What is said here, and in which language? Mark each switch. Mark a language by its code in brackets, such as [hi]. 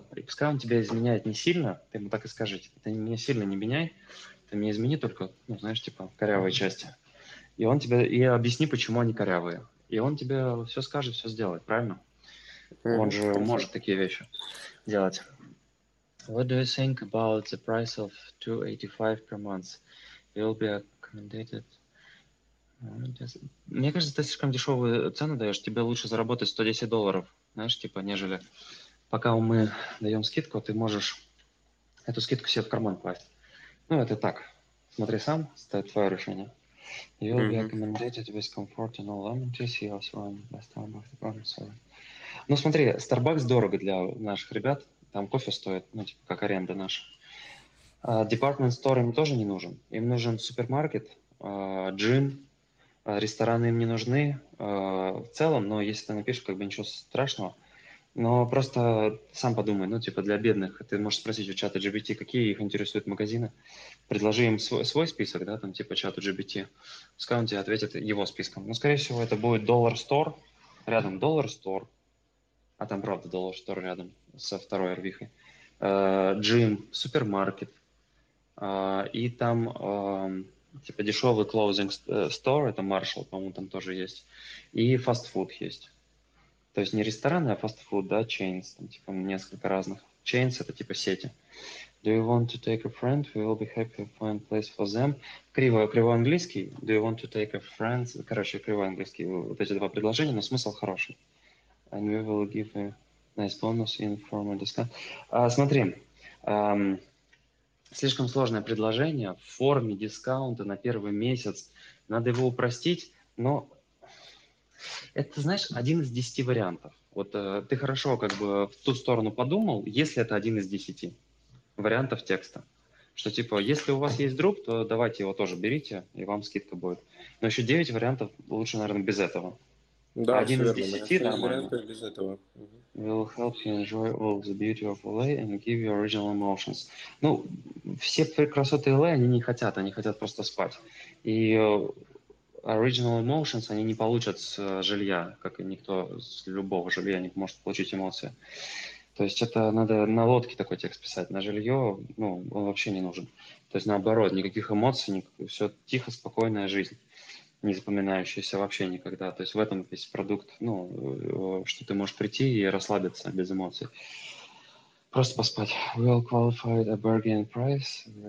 [ru] Пускай он тебя изменяет не сильно, ты ему так и скажи. Ты меня сильно не меняй, ты меня измени только, ну, знаешь, типа, корявые части. И он тебе, и объясни, почему они корявые. И он тебе все скажет, все сделает, правильно? Он же может такие вещи делать. [en] What do you think about the price of $285 per month? It will be accommodated... [ru] Мне кажется, ты слишком дешевую цену даешь, тебе лучше заработать $110, знаешь, типа, нежели пока мы даем скидку, ты можешь эту скидку себе в карман класть. Ну, это так. Смотри сам, ставь твое решение. [en] You'll be accommodated with comfort and all amenities. Yes, one by Starbucks. Sorry. [ru] Ну, смотри, Starbucks дорого для наших ребят. Там кофе стоит, ну, типа, как аренда наша. Department store им тоже не нужен. Им нужен супермаркет, джим, рестораны им не нужны в целом, но если ты напишешь, как бы ничего страшного. Но просто сам подумай, ну, типа, для бедных. Ты можешь спросить у чата GPT, какие их интересуют магазины. Предложи им свой список, да, там, типа, чату GPT. Пускай он тебе ответит его списком. Ну, скорее всего, это будет Dollar Store, рядом Dollar Store, а там, правда, Dollar Store рядом со второй Арвихой, Джим, супермаркет, и там... типа дешевый closing store, это Marshall, по-моему, там тоже есть. И фастфуд есть. То есть не рестораны, а фастфуд, да, chains. Там типа несколько разных. Chains это типа сети. [en] Do you want to take a friend? We will be happy to find a place for them. [ru] Криво английский. [en] Do you want to take a friend? [ru] Короче, криво английский. Вот эти два предложения, но смысл хороший. [en] And we will give a nice bonus in form of discount. [ru] Смотри. Слишком сложное предложение в форме дискаунта на первый месяц. Надо его упростить, но это, знаешь, один из 10 вариантов. Вот ты хорошо как бы в ту сторону подумал, если это один из 10 вариантов текста. Что типа, если у вас есть друг, то давайте его тоже берите, и вам скидка будет. Но еще 9 вариантов лучше, наверное, без этого. Да, один из 10 нормально. [en] Will help you enjoy all the beauty of LA and give you original emotions. [ru] Ну, все красоты LA, они хотят просто спать. И [en] original emotions [ru] они не получат с жилья, как и никто с любого жилья не может получить эмоции. То есть это надо на лодке такой текст писать, на жилье, ну, он вообще не нужен. То есть наоборот, никаких эмоций, все тихо, спокойная жизнь. Не запоминающийся вообще никогда. То есть в этом весь продукт, ну, что ты можешь прийти и расслабиться без эмоций. Просто поспать. [en] Well qualified a bargain price.